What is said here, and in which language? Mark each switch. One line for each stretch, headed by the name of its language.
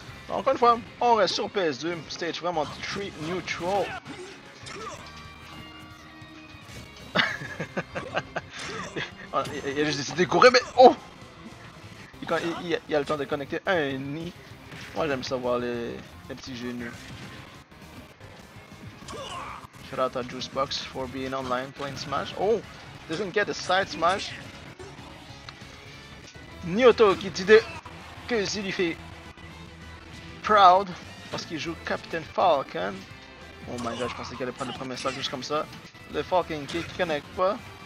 French: Encore une fois, on reste sur PS2, stage vraiment très neutral. Il a juste décidé de courir, mais oh! Il a le temps de connecter un nid. Moi j'aime savoir les petits genoux.
English: Shout out à Juicebox for being online playing Smash. Oh! Doesn't get a side smash.
French: Nioto qui dit que Z lui fait proud parce qu'il joue Captain Falcon.
English: Oh my god,
French: je pensais qu'il allait prendre le premier slot juste comme ça. Le Falcon kick qui connecte pas.